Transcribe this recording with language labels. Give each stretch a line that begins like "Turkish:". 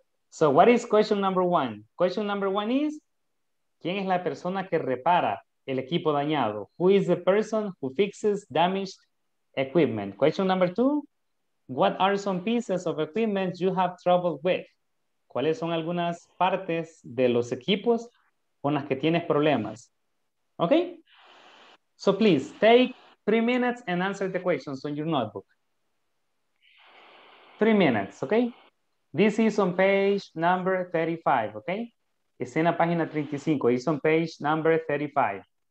English: So what is question number one? Question number one is,
Spanish: ¿quién es la persona que repara el equipo dañado?
English: Who is the person who fixes damaged equipment? Question number two, What are some pieces of equipment you have trouble with?
Spanish: ¿Cuáles son algunas partes de los equipos con las que tienes problemas?
English: Okay? So please, take 3 minutes and answer the questions on your notebook. 3 minutes, okay? This is on page number 35, okay?
Spanish: Es en la página 35,
English: it's on page number 35.